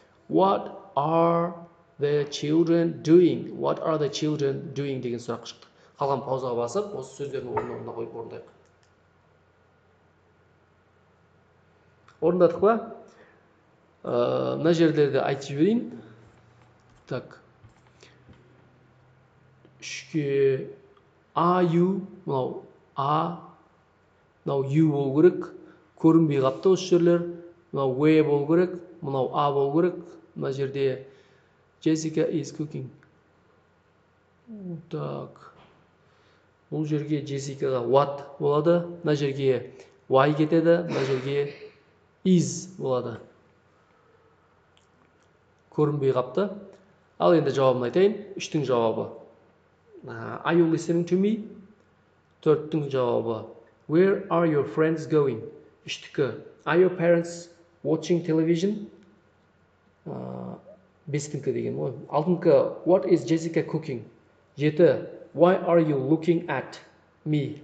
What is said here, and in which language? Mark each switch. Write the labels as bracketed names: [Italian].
[English] What are the children doing? [Kazakh] Деген сұрақ шықты. Қалған паузаға басып, осы сөздерді орнына қойып орындайық. Орындадық па? Мына жерлерді айтып жіберейін. Так. Үшке, [English] are you, [Kazakh] мынау, а, мынау, you болу керек, көрінбей қапты осы жерлер, мынау, where болу керек, мынау, а болу керек, мына жерде, [English] Jessica is cooking. [Kazakh] Так, бұл жерге Jessica-ға what болады, мына жерге why кетеді, мына жерге is болады. Көрінбей қапты. Ал енді жауабын айтайын, үштің жауабы. [English] Are you listening to me? [Kazakh] Төрттің жауабы. [English] Where are your friends going? [Kazakh] Үштікі. [English] Are your parents watching television? [Kazakh] Бестіңкі деген ой. Алтыңкі. [English] What is Jessica cooking? [Kazakh] Жеті. [English] Why are you looking at me?